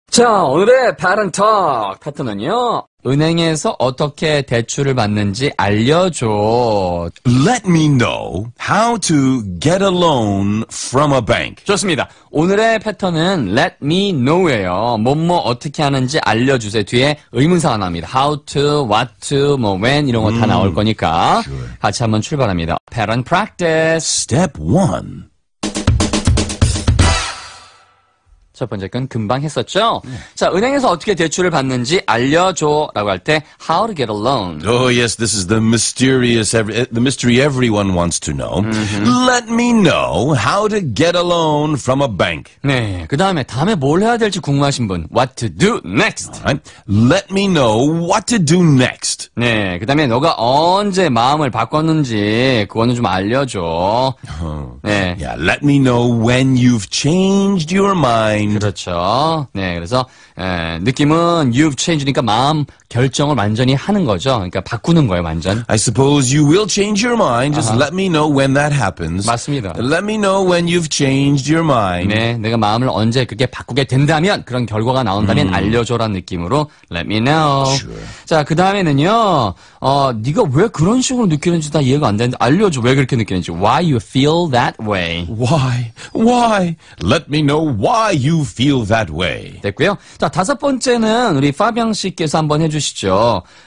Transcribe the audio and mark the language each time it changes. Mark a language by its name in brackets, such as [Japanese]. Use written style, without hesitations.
[Korean] 자, 오늘의 바른톡 파트는요, 은행에서 어떻게 대출을 받는지 알려줘. [English] Let me know how to get a loan from a bank. [Korean] 좋습니다. 오늘의 패턴은 [English] let me know [Korean] 예요. 뭐뭐 어떻게 하는지 알려주세요. 뒤에 의문사가 나옵니다. [English] How to, what to, [Korean] 뭐 when 이런 거 다 나올 거니까 [English] sure. [Korean] 같이 한번 출발합니다. [English] Pattern practice. Step 1. [Korean] 첫 번째 건 금방 했었죠? 자, 은행에서 어떻게 대출을 받는지 알려줘 라고 할 때 [English] How to get a loan? Oh yes, this is the mystery everyone wants to know. Mm-hmm. Let me know how to get a loan from a bank. [Korean] 네, 그 다음에 뭘 해야 될지 궁금하신 분 [English] What to do next? Right. Let me know what to do next. [Korean] 네, 그 다음에 너가 언제 마음을 바꿨는지 그거는 좀 알려줘. Oh. 네. [English] Yeah, let me know when you've changed your mind. [Korean] 그렇죠. 네, 그래서 느낌은 [English] you've changed [Korean] 니까 마음 결정을 완전히 하는 거죠. 그러니까 바꾸는 거예요, 완전. [English] I suppose you will change your mind. Just let me know when that happens. [Korean] 맞습니다. [English] Let me know when you've changed your mind. [Korean] 네, 내가 마음을 언제 그게 바꾸게 된다면 그런 결과가 나온다면 알려줘라는 느낌으로 [English] let me know. Sure. [Korean] 자, 그 다음에는요. 네가 왜 그런 식으로 느끼는지 다 이해가 안 되는데 알려줘 왜 그렇게 느끼는지. [English] Why you feel that way? Why? Why? Let me know why you feel that way. [Korean] 됐고요. 자, 다섯 번째는 우리 파병 씨께서 한번 해주시죠.